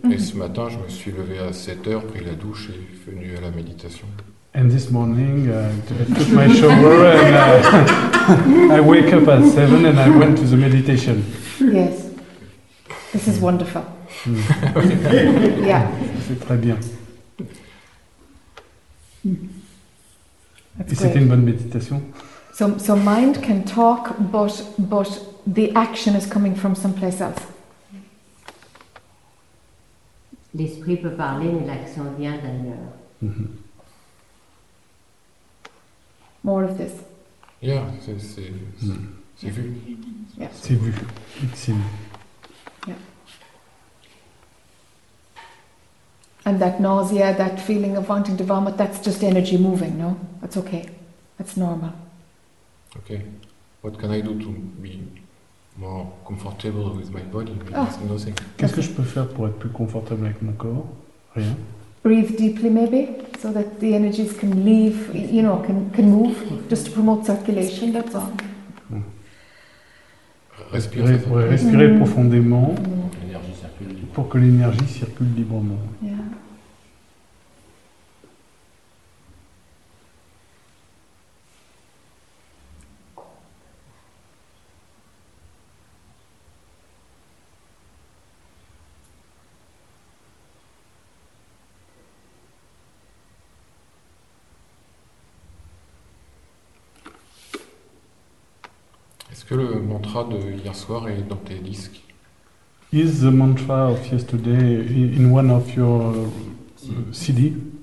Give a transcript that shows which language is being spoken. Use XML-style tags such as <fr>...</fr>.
<fr>Et ce matin, je me suis levé à 7h, pris la douche et venu à la méditation.</fr> <en>And this morning, I took my shower and I wake up at 7 and I went to the meditation. Yes. This is wonderful. Yeah.</en> <fr>C'est très bien.</fr> <en>That's</en> <fr>et c'était une bonne méditation.</fr> <en>So mind can talk, but the action is coming from someplace else.</en> <fr>L'esprit peut parler, mais l'action vient d'ailleurs.</fr> <en>More of this.</en> <fr>Yeah, c'est vu. Yeah. C'est vu.</fr> <en>It's seen. Yeah. And that nausea, that feeling of wanting to vomit, that's just energy moving, no? That's okay. That's normal. Okay. What can I do to be more comfortable with my body? Nothing.</en> <fr>Qu'est-ce que je peux faire pour être plus confortable avec mon corps? Rien.</fr> <en>Breathe deeply, maybe, so that the energies can leave, you know, can move, just to promote circulation, that's all.</en> <fr>Respirer profondément pour que l'énergie circule librement. Yeah. Que le mantra de hier soir est dans tes disques.</fr> <en>Is the mantra of yesterday in one of your CD?</en>